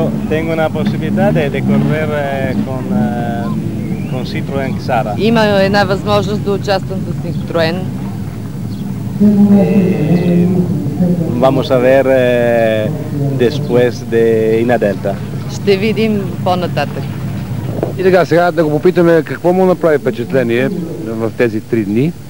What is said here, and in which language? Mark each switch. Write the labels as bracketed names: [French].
[Spanish] Tengo una posibilidad de correr con Citroën Xara. [Bulgarian] Има една възможност да участвам с Citroën. [Spanish] Vamos a ver después de Ina Delta. [Bulgarian] Ще видим по-нататък. И така, сега да го попитаме какво му направи впечатление в тези три дни.